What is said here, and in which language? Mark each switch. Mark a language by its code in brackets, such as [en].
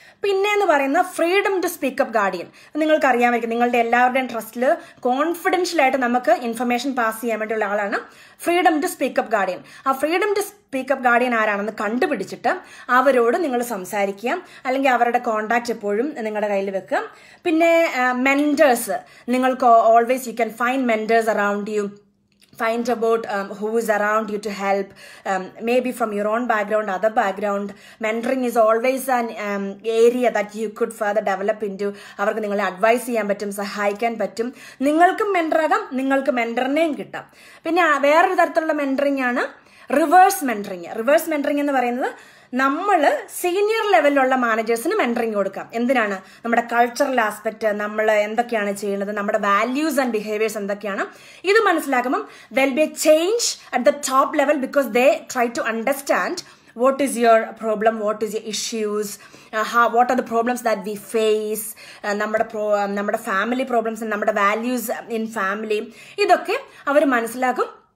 [ml] പിന്നെ എന്ന് പറയുന്ന freedom to speak up guardian. നിങ്ങൾക്കറിയാമായിരിക്കും നിങ്ങളുടെ എല്ലാവരുടെയും ട്രസ്റ്റിൽ കോൺഫിഡൻഷ്യൽ ആയിട്ട് നമുക്ക് ഇൻഫർമേഷൻ പാസ് ചെയ്യാൻ വേണ്ടിയുള്ള ആളാണ് freedom to speak up guardian. ആ freedom to speak up guardian ആരാണെന്ന് കണ്ടുപിടിച്ചിട്ട് അവരോട് നിങ്ങൾ സംസാരിക്കുക, അല്ലെങ്കിൽ അവരുടെ കോണ്ടാക്ട് എപ്പോഴും നിങ്ങളുടെ കയ്യിൽ വെക്കുക. പിന്നെ മെൻറ്റേഴ്സ്, നിങ്ങൾക്ക് [en] Always you can find mentors around you. find about who is around you to help, maybe from your own background, other background. Mentoring is always an area that you could further develop into. [ml] അവർക്ക് നിങ്ങളെ advice ചെയ്യാൻ പറ്റും, സഹായിക്കാൻ പറ്റും. നിങ്ങൾക്കും മെൻ്ററാകാം, നിങ്ങൾക്ക് മെൻ്ററിനെയും കിട്ടാം. പിന്നെ വേറൊരു തരത്തിലുള്ള മെൻ്ററിങ് ആണ് റിവേഴ്സ് മെൻ്ററിങ്. റിവേഴ്സ് മെൻ്ററിങ് എന്ന് പറയുന്നത് നമ്മൾ സീനിയർ ലെവലിലുള്ള മാനേജേഴ്സിന് മെൻ്ററിങ് കൊടുക്കാം. എന്തിനാണ്? നമ്മുടെ കൾച്ചറൽ ആസ്പെക്ട്, നമ്മൾ എന്തൊക്കെയാണ് ചെയ്യുന്നത്, നമ്മുടെ വാല്യൂസ് ആൻഡ് ബിഹേവിയേഴ്സ് എന്തൊക്കെയാണ്, ഇത് മനസ്സിലാക്കുമ്പം [en] there will be a change at the top level, because they try to understand what is your problem, what is your issues, what are the problems that we face, [ml] നമ്മുടെ family problems, നമ്മുടെ values in family, ഇതൊക്കെ അവർ മനസ്സിലാക്കും.